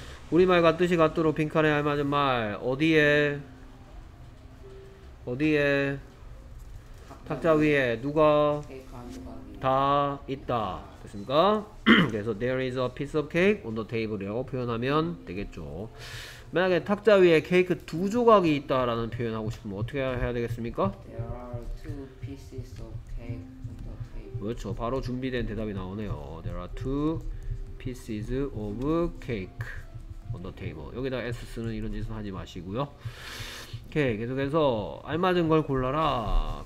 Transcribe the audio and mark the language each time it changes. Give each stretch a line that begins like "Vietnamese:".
Korean: 우리말과 뜻이 같도록 빈칸에 알맞은 말 어디에 어디에 탁자 위에 누가 다 있다 됐습니까? 그래서
English: there is a piece of cake on the table
Korean: 이라고 표현하면 되겠죠. 만약에 탁자 위에 케이크 두 조각이 있다라는 표현하고 싶으면 어떻게 해야 되겠습니까?
English: There are two pieces of cake on the table.
Korean: 그렇죠. 바로 준비된 대답이 나오네요.
English: There are two pieces of cake on the table.
Korean: 여기다 S 쓰는 이런 짓은 하지 마시고요. 오케이, 계속해서 알맞은 걸 골라라.